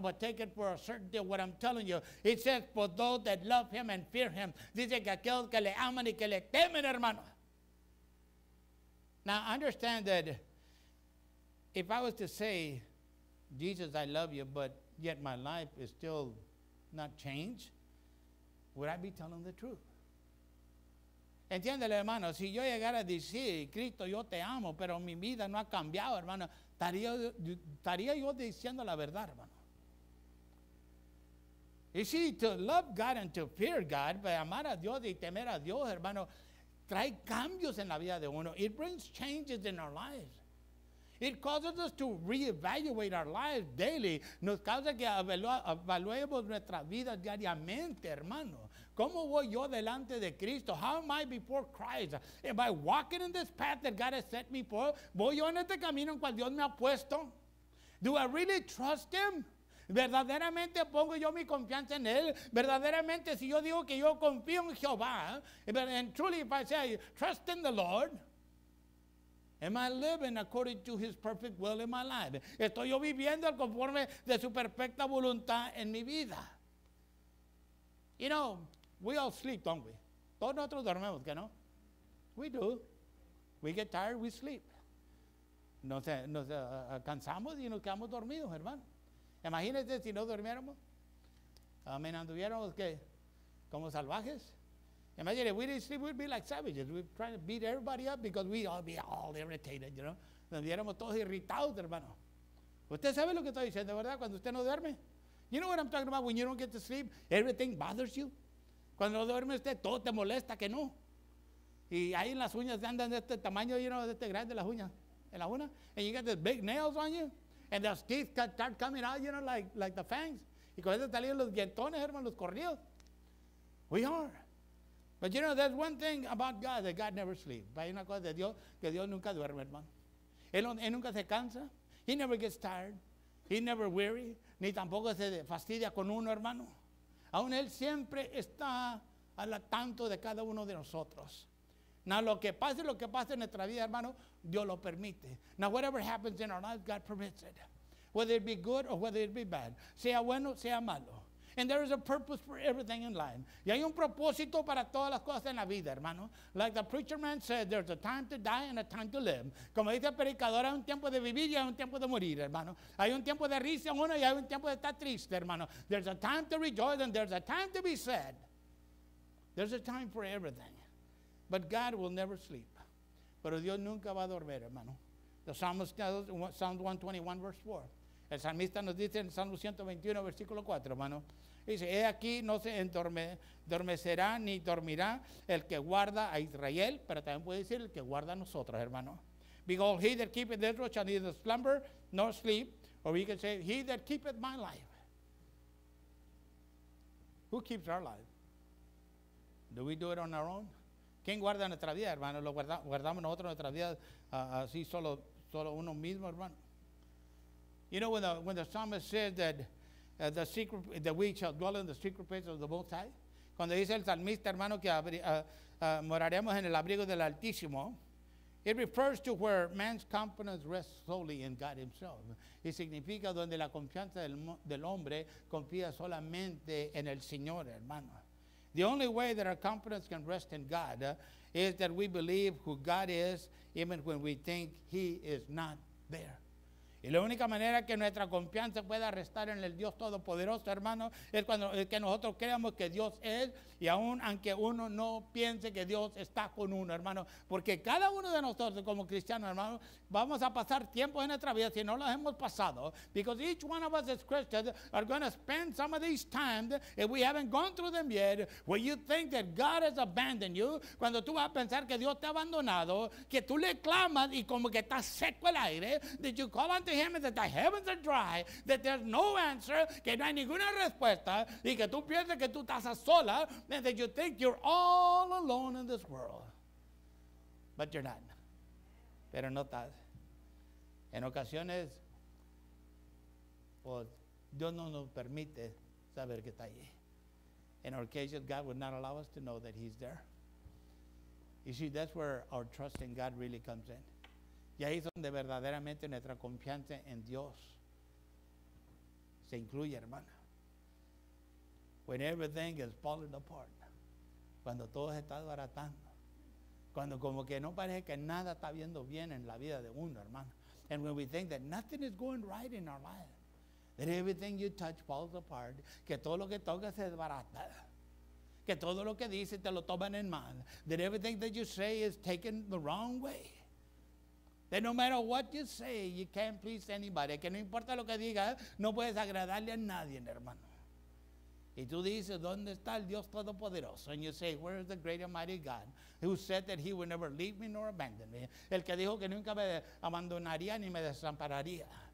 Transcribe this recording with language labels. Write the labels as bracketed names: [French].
[English] But take it for a certainty of what I'm telling you. It says, for those that love him and fear him. [Spanish] Dice que aquellos que le aman y que le temen, hermano. [English] Now, understand that if I was to say, Jesus, I love you, but yet my life is still not changed, would I be telling the truth? [Spanish] Entiéndele, hermano, si yo llegara a decir, Cristo, yo te amo, pero mi vida no ha cambiado, hermano, estaría yo diciendo la verdad, hermano. You see, to love God and to fear God, but amar a Dios y temer a Dios, hermano, trae cambios en la vida de uno. [English] It brings changes in our lives. It causes us to reevaluate our lives daily. [Spanish] Nos causa que evaluemos nuestras vidas diariamente, hermano. ¿Cómo voy yo delante de Cristo? [English] How am I before Christ? Am I walking in this path that God has set me for? [Spanish] ¿Voy yo en este camino en cual Dios me ha puesto? [English] Do I really trust him? [Spanish] ¿Verdaderamente pongo yo mi confianza en él? ¿Verdaderamente si yo digo que yo confío en Jehová? [English] And truly if I say, trust in the Lord. Am I living according to his perfect will in my life? [Spanish] ¿Estoy yo viviendo conforme de su perfecta voluntad en mi vida? [English] You know, we all sleep, don't we? [Spanish] Todos nosotros dormimos, ¿qué no? [English] We do. We get tired, we sleep. [Spanish] Nos cansamos y nos quedamos dormidos, hermano. Imagínense si no durmiéramos. Amén, anduviéramos, ¿qué? como salvajes. [English] Imagine if we didn't sleep, we'd be like savages. We'd try to beat everybody up because we'd all be all irritated, you know. [Spanish] Nos diéramos todos irritados, hermano. ¿Usted sabe lo que estoy diciendo, verdad? Cuando usted no duerme. [English] You know what I'm talking about? When you don't get to sleep, everything bothers you. [Spanish] Cuando no duerme usted, todo te molesta, que no. Y ahí en las uñas andan de este tamaño, you know, de este grande las uñas. En la una. [English] And you got these big nails on you. And those teeth start coming out, you know, like the fangs. [Spanish] Y con eso salían los dientones, hermano, los corridos. [English] We are. But you know, there's one thing about God, that God never sleeps. [Spanish] Hay una cosa de Dios, que Dios nunca duerme, hermano. Él nunca se cansa. [English] He never gets tired. He never weary. [Spanish] Ni tampoco se fastidia con uno, hermano. Aún Él siempre está al tanto de cada uno de nosotros. Now, lo que pase en nuestra vida, hermano, Dios lo permite. [English] Now, whatever happens in our life, God permits it. Whether it be good or whether it be bad. [Spanish] Sea bueno, sea malo. [English] And there is a purpose for everything in life. [Spanish] Y hay un propósito para todas las cosas en la vida, hermano. [English] Like the preacher man said, there's a time to die and a time to live. [Spanish] Como dice el predicador, hay un tiempo de vivir y hay un tiempo de morir, hermano. Hay un tiempo de risa en uno y hay un tiempo de estar triste, hermano. [English] There's a time to rejoice and there's a time to be sad. There's a time for everything. But God will never sleep. [Spanish] Pero Dios nunca va a dormir, hermano. [English] The psalmist tells us in Psalm 121, verse 4. [Spanish] El salmista nos dice en Salmo 121, versículo 4, hermano. Dice, he aquí, no se entormecerá ni dormirá el que guarda a Israel, pero también puede decir el que guarda a nosotros, hermano. [English] Because he that keepeth Israel shall neither slumber nor sleep. Or we can say, he that keepeth my life. Who keeps our life? Do we do it on our own? [Spanish] ¿Quién guarda nuestra vida, hermano? ¿Lo guardamos nosotros nuestra vida así solo uno mismo, hermano? [English] You know, when the psalmist says that the secret that we shall dwell in the secret place of the Most High, [Spanish] cuando dice el salmista, hermano, que moraremos en el abrigo del Altísimo, [English] it refers to where man's confidence rests solely in God himself. [Spanish] Y significa donde la confianza del hombre confía solamente en el Señor, hermano. [English] The only way that our confidence can rest in God is that we believe who God is even when we think he is not there. [Spanish] Y la única manera que nuestra confianza pueda restar en el Dios Todopoderoso, hermano, es cuando es que nosotros creamos que Dios es, y aún aunque uno no piense que Dios está con uno, hermano. Porque cada uno de nosotros como cristianos, hermano, vamos a pasar tiempo en nuestra vida, si no lo hemos pasado. [English] Because each one of us as Christians are going to spend some of these times, if we haven't gone through them yet, where you think that God has abandoned you, [Spanish] cuando tú vas a pensar que Dios te ha abandonado, que tú le clamas y como que está seco el aire, [English] that you call to him and that the heavens are dry, that there's no answer, [Spanish] que no hay ninguna respuesta, y que tú piensas que tú estás sola, [English] and that you think you're all alone in this world. But you're not. [Spanish] Pero no estás. En ocasiones, pues, Dios no nos permite saber que está allí. [English] In our occasions, God would not allow us to know that he's there. You see, that's where our trust in God really comes in. [Spanish] Y ahí es donde verdaderamente nuestra confianza en Dios se incluye, hermana. [English] When everything is falling apart. [Spanish] Cuando todo se está desbaratando. Cuando como que no parece que nada está viendo bien en la vida de uno, hermano. [English] And when we think that nothing is going right in our life. That everything you touch falls apart. [Spanish] Que todo lo que toca se desbarata. Que todo lo que dice te lo toman en mal. [English] That everything that you say is taken the wrong way. That no matter what you say, you can't please anybody. [Spanish] Que no importa lo que digas, no puedes agradarle a nadie, hermano. Y tú dices, ¿dónde está el Dios Todopoderoso? [English] And you say, where is the great and mighty God who said that he would never leave me nor abandon me? [Spanish] El que dijo que nunca me abandonaría ni me desampararía.